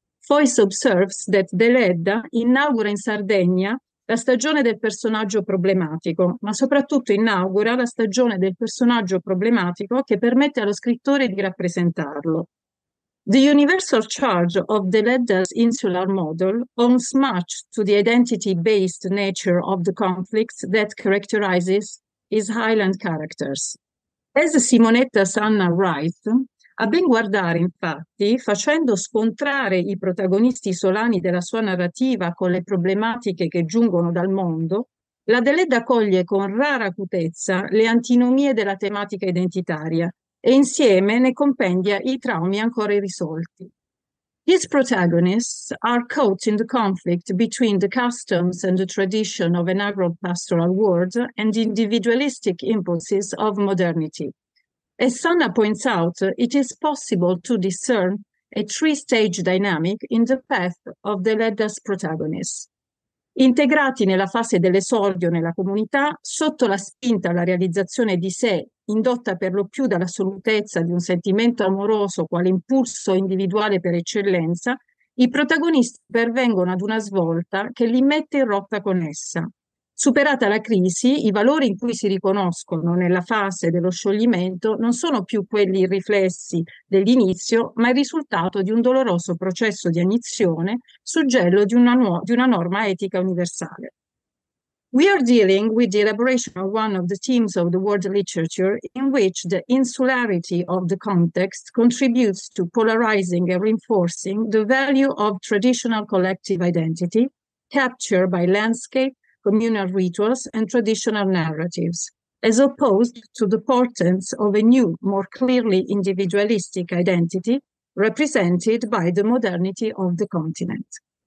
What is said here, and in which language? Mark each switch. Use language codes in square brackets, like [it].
[en] Foix observes that [it] Deledda inaugura in Sardegna la stagione del personaggio problematico, ma soprattutto inaugura la stagione del personaggio problematico che permette allo scrittore di rappresentarlo. [en] The universal charge of Deledda's insular model owes much to the identity-based nature of the conflicts that characterizes his Highland characters. As Simonetta Sanna writes, [it] a ben guardare, infatti, facendo scontrare i protagonisti isolani della sua narrativa con le problematiche che giungono dal mondo, la Deledda coglie con rara acutezza le antinomie della tematica identitaria e insieme ne compendia i traumi ancora irrisolti. [en] His protagonists are caught in the conflict between the customs and the tradition of an agro-pastoral world and the individualistic impulses of modernity. As Sanna points out, it is possible to discern a three-stage dynamic in the path of the Deledda's protagonists. [it] Integrati nella fase dell'esordio nella comunità, sotto la spinta alla realizzazione di sé, indotta per lo più dall'assolutezza di un sentimento amoroso quale impulso individuale per eccellenza, i protagonisti pervengono ad una svolta che li mette in rotta con essa. Superata la crisi, i valori in cui si riconoscono nella fase dello scioglimento non sono più quelli riflessi dell'inizio, ma il risultato di un doloroso processo di agnizione, suggello di una norma etica universale. [en] We are dealing with the elaboration of one of the themes of the world literature in which the insularity of the context contributes to polarizing and reinforcing the value of traditional collective identity captured by landscape, communal rituals, and traditional narratives, as opposed to the portents of a new, more clearly individualistic identity represented by the modernity of the continent.